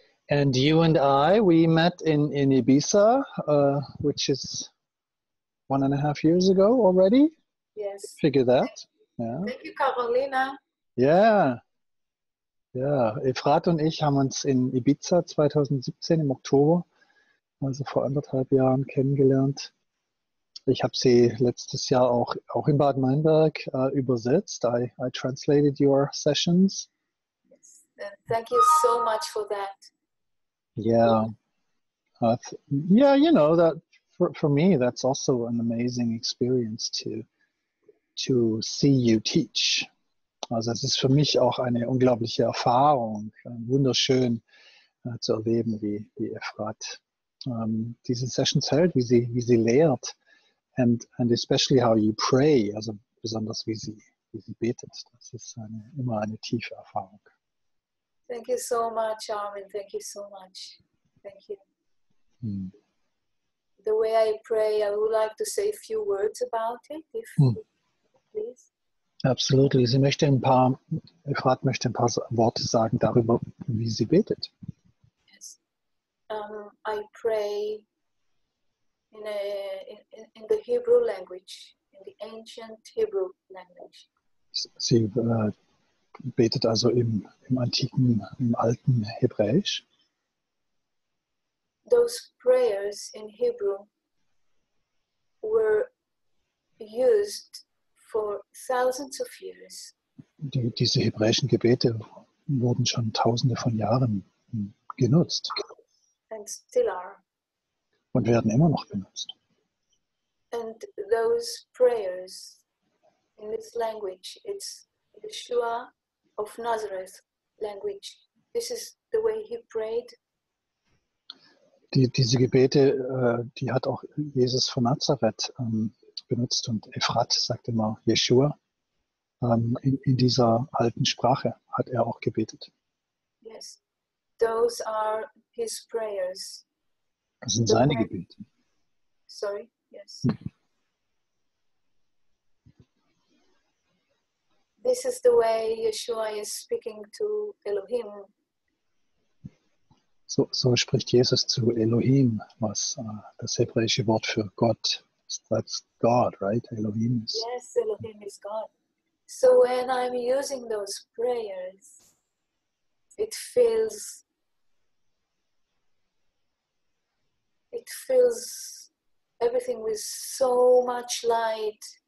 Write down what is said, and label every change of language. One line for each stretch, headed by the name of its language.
English: And you and I, we met in Ibiza, which is 1.5 years ago already. Yes. Figure that. Yeah. Thank you, Carolina. Yeah.
German: Ja, Efrat und ich haben uns in Ibiza 2017 im Oktober, also vor 1,5 Jahren, kennengelernt. Ich habe sie letztes Jahr auch in Bad Meinberg übersetzt.
English: I translated your sessions. Thank you so much for that. Yeah. Yeah, you know, that for me, that's also an amazing experience to see you teach.
German: Also es ist für mich auch eine unglaubliche Erfahrung, wunderschön zu erleben, wie Efrat diese Sessions hält, wie sie lehrt.
English: And especially how you pray,
German: also besonders wie sie betet. Das ist immer eine tiefe Erfahrung.
English: Thank you so much, Armin. Thank you so much. Thank you. The way I pray, I would like to say a few words about it, if please. Absolutely.
German: Efrat möchte ein paar Worte sagen darüber, wie sie betet.
English: I pray in the Hebrew language, in the ancient Hebrew language.
German: Sie betet also im alten Hebräisch.
English: Those prayers in Hebrew were used for thousands of years.
German: Diese hebräischen Gebete wurden schon tausende von Jahren genutzt
English: And still are.
German: und werden immer noch benutzt.
English: And those prayers in this language, it's Yeshua of Nazareth language. This is the way he prayed.
German: Diese Gebete, die hat auch Jesus von Nazareth benutzt und Ephrat sagte mal, Jeshua, in dieser alten Sprache hat er auch gebetet.
English: Yes, those are his prayers.
German: Das sind
English: The
German: seine
English: prayer.
German: Gebete.
English: Sorry, yes. This is the way Yeshua is speaking to Elohim.
German: So spricht Jesus zu Elohim, was das hebräische Wort für Gott ist.
English: That's God, right? Elohim ist. Yes, Elohim is God. So when I'm using those prayers, it fills everything with so much light.